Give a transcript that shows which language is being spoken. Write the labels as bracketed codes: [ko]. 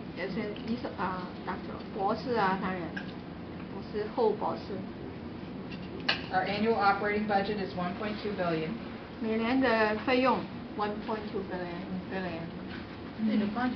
[zh] 也是医生啊，博士啊，当然，博士后博士。 [en] Our annual operating budget is $1.2 billion. [zh] 每年的费用 [en] $1.2 billion.